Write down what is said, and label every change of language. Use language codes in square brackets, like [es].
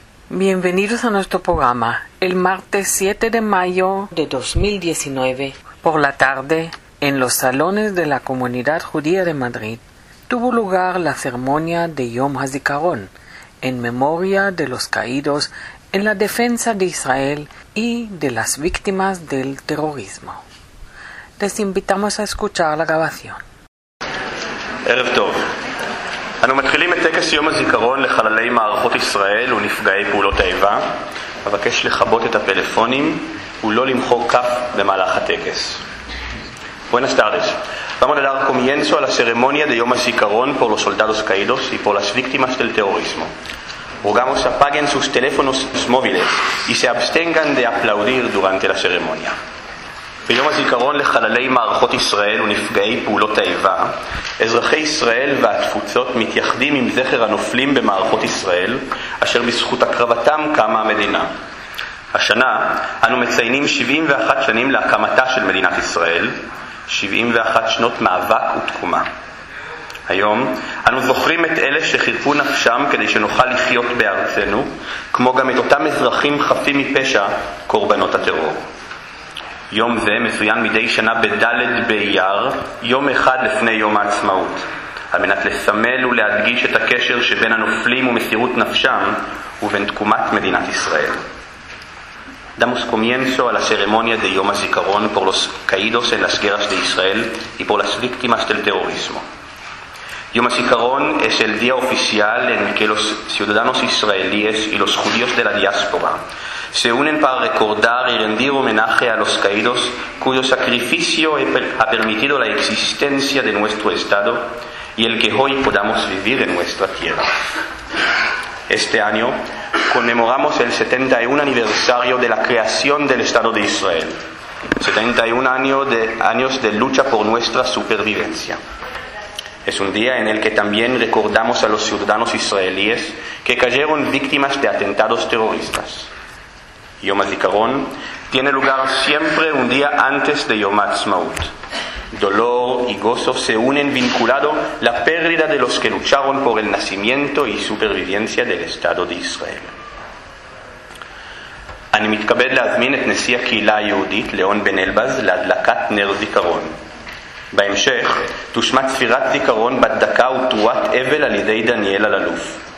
[es] Bienvenidos a nuestro programa. El martes 7 de mayo de 2019, por la tarde, en los salones de la Comunidad Judía de Madrid, tuvo lugar la ceremonia de Yom HaZikaron, en memoria de los caídos en la defensa de Israel y de las víctimas del terrorismo. Les invitamos a escuchar la grabación. [he] ערב טוב. אנו מתחילים את טקס יום הזיכרון לחללי מערכות ישראל ונפגעי פעולות האיבה. אבקש לכבות את הפלאפונים ולא למחוא כף במהלך הטקס. [es] Buenas tardes. Vamos a dar comienzo a la ceremonia de Yom HaZikaron por los soldados caídos y por las víctimas del terrorismo. Rogamos que apaguen sus teléfonos móviles y se abstengan de aplaudir durante la ceremonia. [he] ביום הזיכרון לחללי מערכות ישראל ונפגעי פעולות האיבה, אזרחי ישראל והתפוצות מתייחדים עם זכר הנופלים במערכות ישראל, אשר בזכות הקרבתם קמה המדינה. השנה אנו מציינים 71 שנים להקמתה של מדינת ישראל, 71 שנות מאבק ותקומה. היום אנו זוכרים את אלה שחירפו נפשם כדי שנוכל לחיות בארצנו, כמו גם את אותם אזרחים חפים מפשע, קורבנות הטרור. יום זה מצוין מדי שנה בדלת בייר, יום אחד לפני יום העצמאות, על מנת לסמל ולהדגיש את הקשר שבין הנופלים ומסירות נפשם ובין תקומת מדינת ישראל. [es] Damos comienzo a la ceremonia de Yom HaZikaron por los caídos en las guerras de Israel y por las víctimas del terrorismo. Yom HaZikaron es el día oficial en el que los ciudadanos israelíes y los judíos de la diáspora se unen para recordar y rendir homenaje a los caídos cuyo sacrificio ha permitido la existencia de nuestro Estado y el que hoy podamos vivir en nuestra tierra. Este año conmemoramos el 71 aniversario de la creación del Estado de Israel, 71 años de lucha por nuestra supervivencia. Es un día en el que también recordamos a los ciudadanos israelíes que cayeron víctimas de atentados terroristas. Yom HaZikaron tiene lugar siempre un día antes de Yom HaZmaut. Dolor y gozo se unen vinculado a la pérdida de los que lucharon por el nacimiento y supervivencia del Estado de Israel. [he] אני מתכבד להזמין את נשיא הקהילה היהודית ליאון בן אלבז להדלקת נר זיכרון. בהמשך, תושמע צפירת זיכרון בת דקה ותרועת אבל על ידי דניאל אלאלוף.